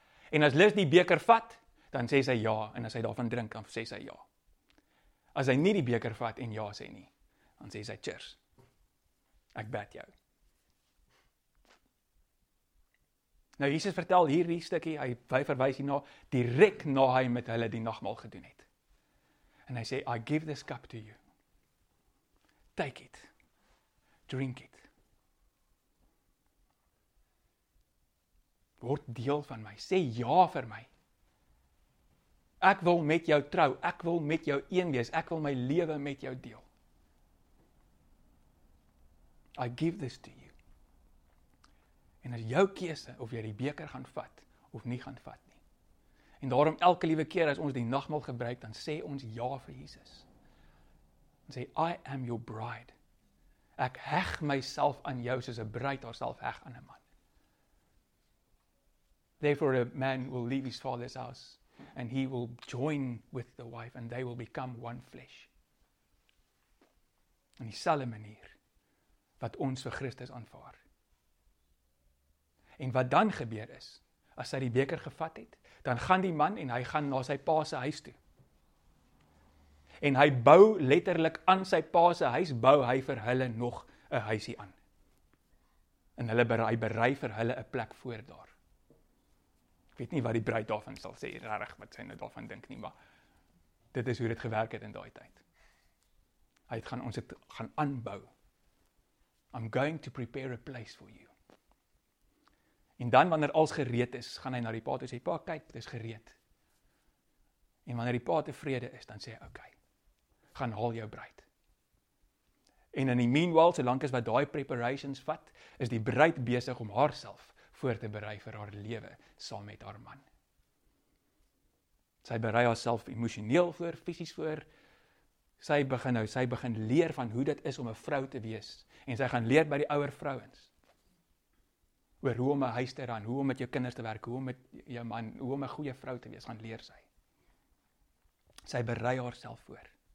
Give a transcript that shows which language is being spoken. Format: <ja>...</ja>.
<af>En as Liz die beker vat, dan sê sy ja, en as hy daarvan drink, dan sê sy ja. As hy nie die beker vat en ja sê nie, dan sê sy,</af> <en>cheers,</en> <af>ek bid jou. Nou, Jesus vertel hierdie stukkie, hy verwys hierna, direk na hy met hulle die nagmaal gedoen het. En hy sê,</af> <en>I give this cup to you. Take it. Drink it.</en> <af>Word deel van my. Sê ja vir my. Ek wil met jou trou, ek wil met jou een wees, ek wil my lewe met jou deel.</af> <en>I give this to you.</en> <af>En as jou keuse of jy die beker gaan vat of nie gaan vat nie. En daarom elke liewe keer as ons die nagmaal gebruik, dan sê ons ja vir Jesus. En sê,</af> <en>I am your bride.</en> <af>Ek heg myself aan jou soos 'n bruid haarself heg aan 'n man.</af> <en>Therefore a man will leave his father's house. And he will join with the wife and they will become one flesh.</en> <af>In dieselfde manier wat ons vir Christus aanvaar. En wat dan gebeur is, as hy die beker gevat het, dan gaan die man en hy gaan na sy pa se huis toe. En hy bou letterlik aan sy pa se huis, bou hy vir hulle nog 'n huisie aan. En hy berei vir hulle 'n plek voor daar. Weet nie wat die bruid daarvan sal sê, regtig wat sy nou daarvan dink nie, maar dit is hoe dit gewerk het in daai tyd. Ons het gaan aanbou.</af> <en>I'm going to prepare a place for you.</en> <af>En dan wanneer alles gereed is, gaan hy na die pa toe sê, pa, kyk, dit is gereed. En wanneer die pa tevrede is, dan sê hy, okay, gaan haal jou bruid. En in die meanwhile, solank as wat daai</af> <en>preparations</en> <af>vat, is die bruid besig om haarself voor te berei vir haar lewe saam met haar man. Sy berei haarself emosioneel voor, fisies voor. Sy begin leer van hoe dit is om 'n vrou te wees en sy gaan leer by die ouer vrouens oor hoe om 'n huis te ran, hoe om met jou kinders te werk, hoe om met jou man, hoe om 'n goeie vrou te wees, gaan leer sy. Sy berei haarself voor.</af>